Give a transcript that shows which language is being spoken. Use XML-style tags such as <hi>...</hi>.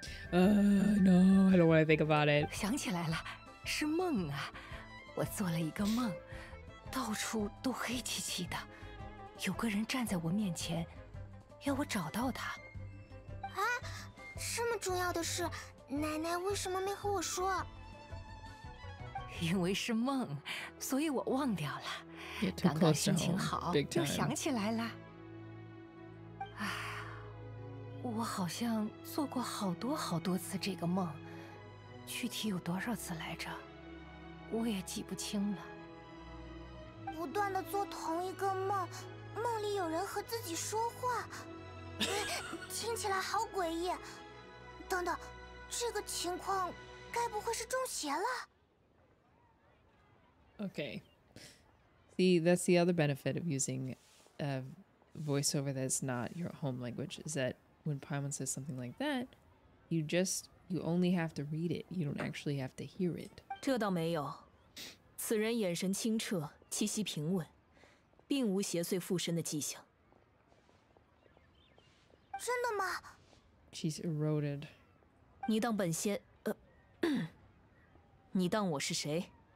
<en>No, I don't want to think about it.</en> <zh>想起来了，是梦啊。我做了一个梦，到处都黑漆漆的，有个人站在我面前，要我找到他。啊，这么重要的事，奶奶为什么没和我说？因为是梦，所以我忘掉了。刚刚心情好，又想起来了。哎，我好像做过好多好多次这个梦，具体有多少次来着？我也记不清了。不断的做同一个梦，梦里有人和自己说话，听起来好诡异。等等，这个情况该不会是中邪了？</zh> <en>Okay. See, that's the other benefit of using a voiceover that's not your home language, is that when Paimon says something like that, you only have to read it. You don't actually have to hear it.</en> <zh>这倒没有。此人眼神清澈，气息平稳，并无邪祟附身的迹象。真的吗？</zh> <en>She's eroded.</en> <zh>你当本仙你当我是谁？</zh>